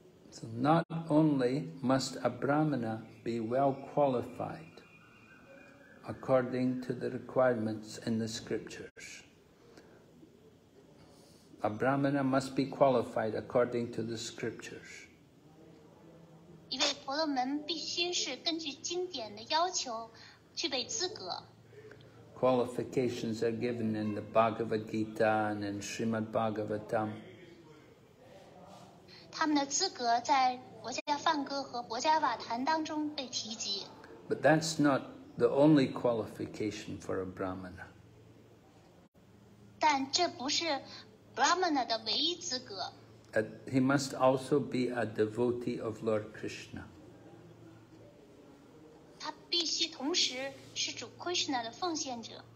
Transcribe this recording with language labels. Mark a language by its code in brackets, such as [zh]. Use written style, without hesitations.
[en] So not only must a Brahmana be well qualified according to the requirements in the scriptures. A Brahmana must be qualified according to the scriptures. [zh] 一位婆罗门必须是根据经典的要求具备资格。 [en] Qualifications are given in the Bhagavad Gita and in Srimad Bhagavatam. [zh] 他们的资格在《博伽梵歌》和《博伽瓦坛》当中被提及。 [en] But that's not the only qualification for a Brahmana. [zh] 但这不是 Brahmana 的唯一资格。 [en] He must also be a devotee of Lord Krishna. [zh] 他必须同时是主 Krishna 的奉献者。